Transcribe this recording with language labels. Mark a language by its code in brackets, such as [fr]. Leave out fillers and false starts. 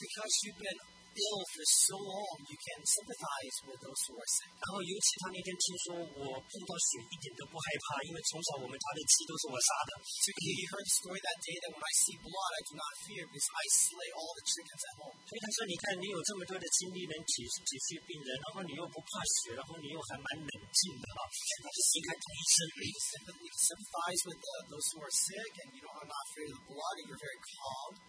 [en] because you've been ill for so long, you can sympathize with those who are sick. [zh] 然后尤其他那天听说我碰到血一点都不害怕，因为从小我们家的鸡都是我杀的。 [en] So he heard the story that day that when I see blood, I do not fear because I slay all the chickens at home. [zh] 所以他说，你看你有这么多的精力能体恤病人，然后你又不怕血，然后你又还蛮冷静的啊。你就心甘情愿。 [en] You sympathize with those who are sick, and you are not afraid of the blood, and you're very calm.